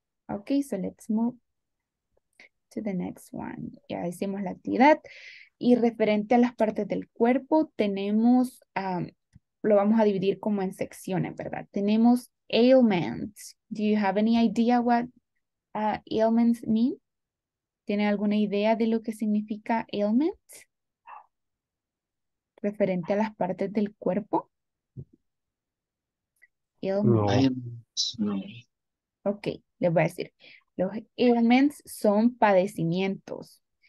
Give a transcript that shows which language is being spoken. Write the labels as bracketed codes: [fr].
[en] Okay, so let's move to the next one. [es] Ya hicimos la actividad. Y referente a las partes del cuerpo, tenemos, lo vamos a dividir como en secciones, ¿verdad? Tenemos ailments. [en] Do you have any idea what ailments mean? [es] ¿Tiene alguna idea de lo que significa ailments? Referente a las partes del cuerpo. [en] Ailments. [es] No. Ok, les voy a decir. Los ailments son padecimientos.